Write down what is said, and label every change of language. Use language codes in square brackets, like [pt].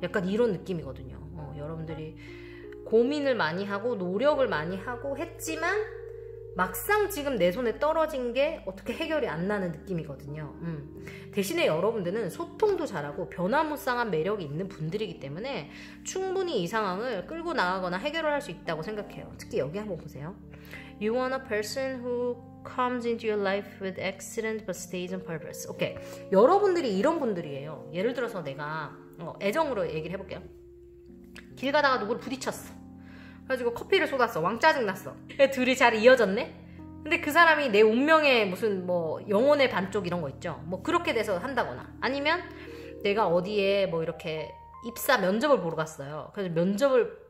[ko] 약간 이런 느낌이거든요. 여러분들이 고민을 많이 하고 노력을 많이 하고 했지만 막상 지금 내 손에 떨어진 게 어떻게 해결이 안 나는 느낌이거든요. 대신에 여러분들은 소통도 잘하고 변화무쌍한 매력이 있는 분들이기 때문에 충분히 이 상황을 끌고 나가거나 해결을 할 수 있다고 생각해요. 특히 여기 한번 보세요. [en] You want a person who comes into your life with excellent but stays on purpose. Okay. [ko] 여러분들이 이런 분들이에요. 예를 들어서 내가 애정으로 얘기를 해볼게요. 길 가다가 누구를 부딪혔어. 그래가지고 커피를 쏟았어. 왕 짜증났어. 둘이 잘 이어졌네. 근데 그 사람이 내 운명의 무슨 뭐 영혼의 반쪽 이런 거 있죠. 뭐 그렇게 돼서 한다거나 아니면 내가 어디에 뭐 이렇게 입사 면접을 보러 갔어요. 그래서 면접을